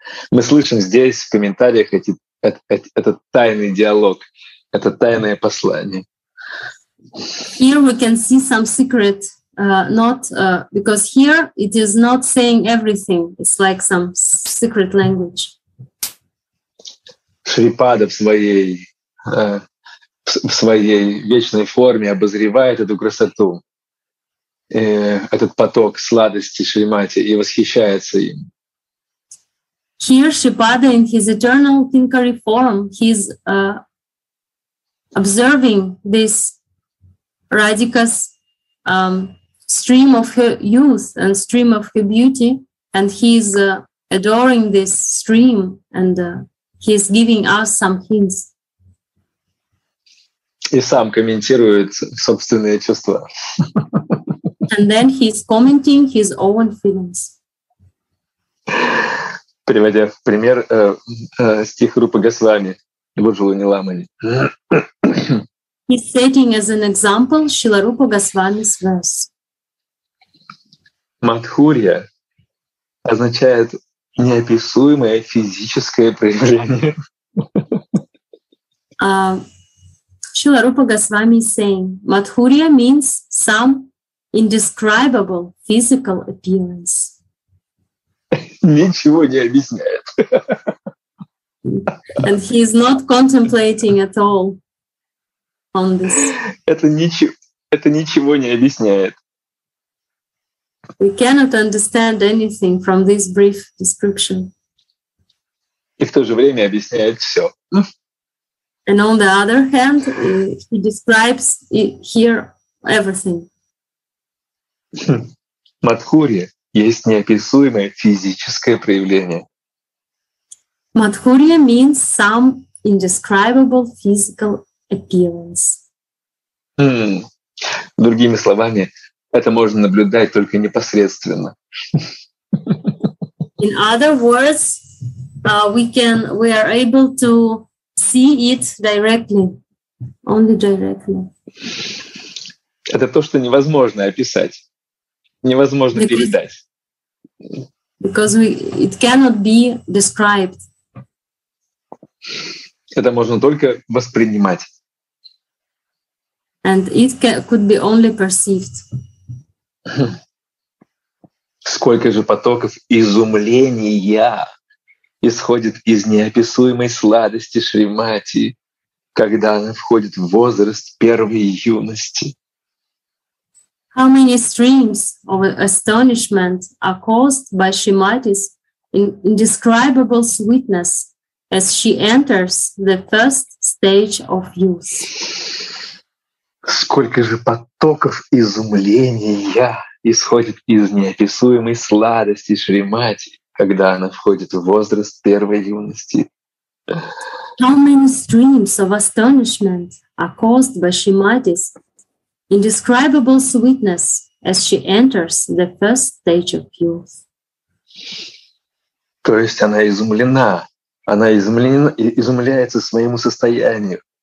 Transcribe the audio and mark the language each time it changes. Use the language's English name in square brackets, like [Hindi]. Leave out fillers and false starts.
[Russian] Мы слышим здесь в комментариях этот тайный диалог, это тайное послание. [English] Here we can see some secret, because here it is not saying everything. It's like some secret language. [Russian] Шрипада в своей вечной форме обозревает эту красоту, этот поток сладости Шримати и восхищается им. [English] Here Шрипада in his eternal Kinkari form, he's observing this Radhika's stream of her youth and stream of her beauty, and he's adoring this stream, and he's giving us some hints. [Russian] И сам комментирует собственные чувства. [English] And then he's commenting his own feelings. [Russian] Приводя в пример стих Рупы Госвами, Буджулу Ниламани. [English] He's stating as an example Srila Rupa Goswami's verse. [Russian] Мадхурья означает неописуемое физическое проявление. [English] Srila Rupa Goswami is saying Мадхурья means some indescribable physical appearance. [Russian] Ничего не объясняет. [English] And he is not contemplating at all. [Russian] Это ничего не объясняет. [English] We cannot understand anything from this brief description. [Russian] И в то же время объясняет все. [English] And on the other hand, he describes here everything. [Russian] Мадхурья есть неописуемое физическое проявление. [English] Мадхурья means some indescribable physical appearance. [Russian] Другими словами, это можно наблюдать только непосредственно. [English] In other words, we are able to see it directly, only directly. [Russian] Это то, что невозможно описать, невозможно передать. [English] Because it cannot be described. [Russian] Это можно только воспринимать. [English] And it could be only perceived. [Russian] Сколько же потоков изумления исходит из неописуемой сладости Шримати, когда она входит в возраст первой юности? [English] How many streams of astonishment are caused by Shrimati's indescribable sweetness as she enters the first stage of youth? [Russian] Сколько же потоков изумления исходит из неописуемой сладости Шримати, когда она входит в возраст первой юности? [English] How many streams of astonishment are caused by Shrimati's indescribable sweetness as she enters the first stage of youth? [Russian] То есть она изумлена. Она изумлена, изумляется своему состоянию.